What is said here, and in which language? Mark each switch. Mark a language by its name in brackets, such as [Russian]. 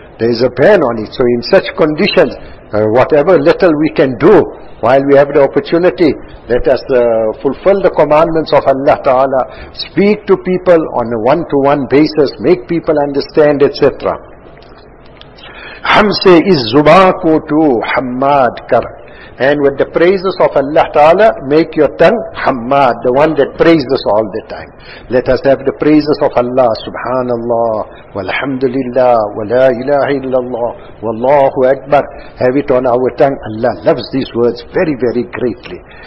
[English] There is a ban on it. So in such conditions, whatever little we can do, while we have the opportunity, let us fulfill the commandments of Allah Ta'ala, speak to people on a one-to-one basis, make people understand, etc. [Urdu] ہم سے اس زباں کو تو حماد کر. [English] And with the praises of Allah Ta'ala, make your tongue Hamad, the one that praises all the time. Let us have the praises of Allah, Subhanallah, Walhamdulillah, Wala ilaha illallah, Wallahu Akbar. Have it on our tongue. Allah loves these words very, very greatly.